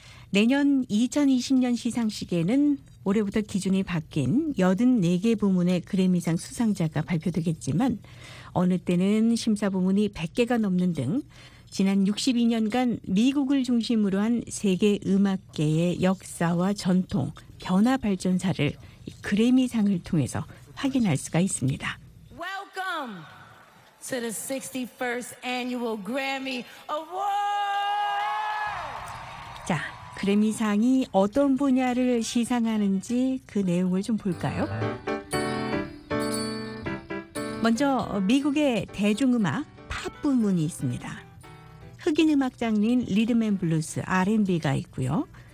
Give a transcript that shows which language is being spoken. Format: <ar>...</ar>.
<ko>내년 2020년 시상식에는 올해부터 기준이 바뀐 84개 부문의 그래미상 수상자가 발표되겠지만 어느 때는 심사 부문이 100개가 넘는 등 지난 62년간 미국을 중심으로 한 세계 음악계의 역사와 전통, 변화 발전사를 그래미상을 통해서 확인할 수가 있습니다.</ko> <en>Welcome to the 61st annual Grammy Award.</en> <ko>자, 그래미상이 어떤 분야를 시상하는지 그 내용을 좀 볼까요? 먼저 미국의 대중음악 팝 부문이 있습니다. 흑인 음악 장르인 리듬앤블루스, R&B가 있고요.</ko>